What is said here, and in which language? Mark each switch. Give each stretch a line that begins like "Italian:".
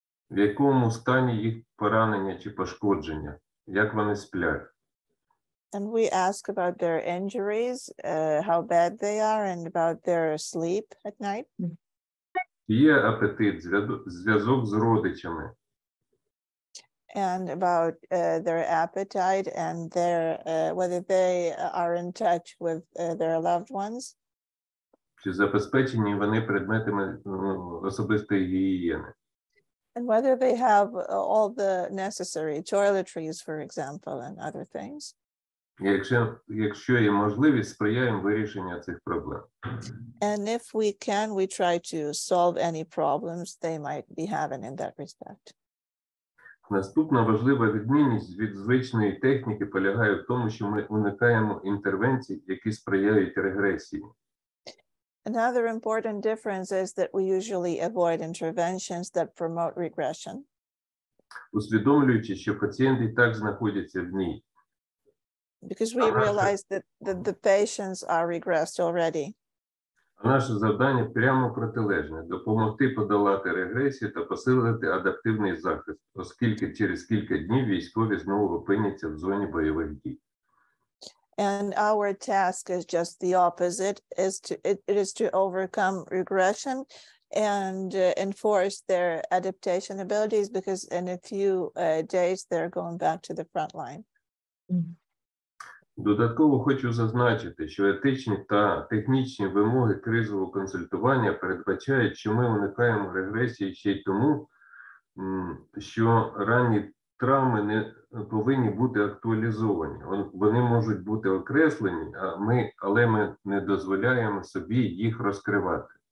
Ukrainian: В якому стані їх поранення чи пошкодження, як вони сплять.
English: And we ask about their injuries, how bad they are, and about their sleep at night.
Ukrainian: Є апетит, зв'язок з родичами.
English: And about their appetite and their whether they are in touch with their loved ones.
Ukrainian: Чи забезпечені вони предметами особистої гігієни.
English: And whether they have all the necessary toiletries, for example, and other things.
Ukrainian: Якщо є можливість, сприяємо вирішенню цих проблем.
English: And if we can, we try to solve any problems they might be having in that respect.
Ukrainian: Наступна важлива відмінність від звичної техніки полягає в тому, що ми уникаємо інтервенцій, які сприяють регресії.
English: Another important difference is that we usually avoid interventions that promote regression.
Ukrainian: Усвідомлюючи, що пацієнт і так знаходиться в ній.
English: Because we realize that the patients are regressed already.
Ukrainian: Наше завдання прямо протилежне – допомогти подолати регресію та посилити адаптивний захист, оскільки через кілька днів військові знову опиняться в зоні бойових дій.
English: And our task is just the opposite, it is to overcome regression and enforce their adaptation abilities, because in a few days they're going back to the front line.
Ukrainian: Додатково хочу зазначити, що етичні та технічні вимоги кризового консультування передбачають, що ми уникаємо регресії ще й тому, що ранні травми не повинні бути актуалізовані. Вони можуть бути окреслені, але ми не дозволяємо собі їх розкривати.